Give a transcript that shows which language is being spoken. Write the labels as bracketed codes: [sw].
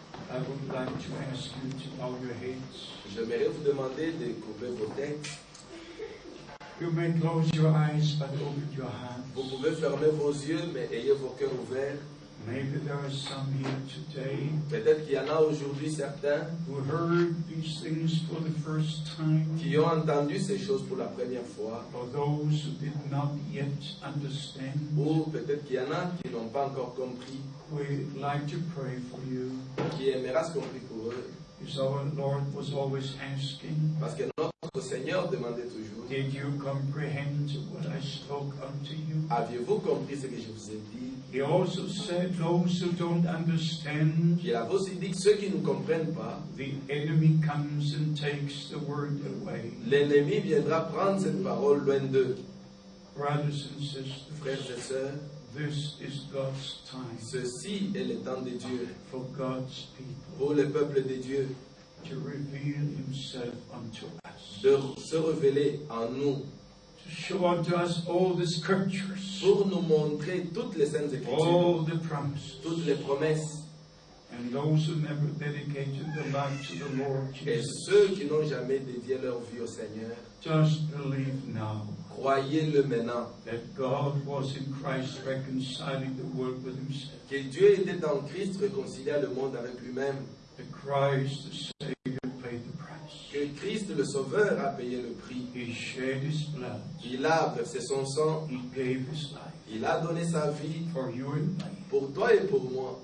[en] I would like to ask you to bow your heads. [fr] J'aimerais vous demander de couvrir vos têtes. [en] You may close your eyes, but open your hands. [fr] Vous pouvez fermer vos yeux, mais ayez vos cœurs ouverts. [en] Maybe there are some here today. [fr] Peut-être qu'il y en a aujourd'hui certains. [en] Who heard these things for the first time. [fr] Qui ont entendu ces choses pour la première fois. [en] Or those who did not yet understand. [fr] Ou peut-être qu'il y en a qui n'ont pas encore compris. [en] We like to pray for you. [fr] Qui aimeraient se compris pour eux. [en] Because our Lord was always asking. [fr] Parce que notre Seigneur demandait toujours. [en] Did you comprehend what I spoke unto you? [fr] Aviez-vous compris ce que je vous ai dit? [en] He also said, "Those who don't understand." [fr] Il a aussi dit que ceux qui ne comprennent pas. [en] The enemy comes and takes the word away. [fr] L'ennemi viendra prendre cette parole loin d'eux. [en] Brothers and sisters, [fr] frères et sœurs, [en] This is God's time. [fr] Ceci est le temps de Dieu. [en] For God's people. [fr] Pour le peuple de Dieu. [en] To reveal Himself unto us. [fr] De se révéler à nous. [en] To show unto us all the scriptures. [fr] Pour nous montrer toutes les saintes écritures. [en] All the promises. [fr] Toutes les promesses. [en] And those who never dedicated their life to the Lord Jesus. [fr] Et ceux qui n'ont jamais dédié leur vie au Seigneur. [en] Just believe now. [fr] Croyez-le maintenant. [en] That God was in Christ reconciling the world with Himself. [fr] Que Dieu était en Christ réconciliant le monde avec lui-même. [en] That Christ the Savior paid the price. [fr] Que Christ le Sauveur a payé le prix. [en] He shed His blood. [fr] Il a versé son sang. [en] He gave His life. [fr] Il a donné sa vie [en] for you and me. [fr] Pour toi et pour moi.